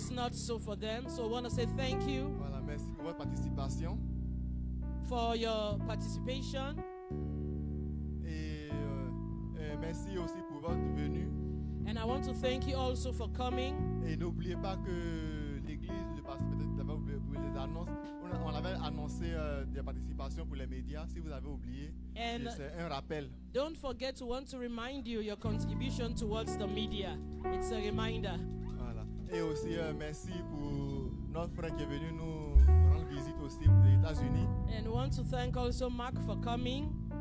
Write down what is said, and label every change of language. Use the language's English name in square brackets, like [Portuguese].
[English] So for them, so I want to say thank you [French] voilà, merci pour votre participation. [English] For your participation. [French] Et merci aussi pour votre venue. [English] And I want to thank you also for coming. [French] Et n'oubliez pas que l'église, le pasteur peut-être avait oublié pour les annonces. On avait annoncé des participations pour les médias. Si vous avez oublié, [English] and [French] c'est un rappel. [English] Don't forget to want to remind you your contribution towards the media. It's a reminder. [French] Et aussi merci pour notre frère qui est venu nous rendre visite aussi aux États-Unis. [English] And want to thank also Mark for coming.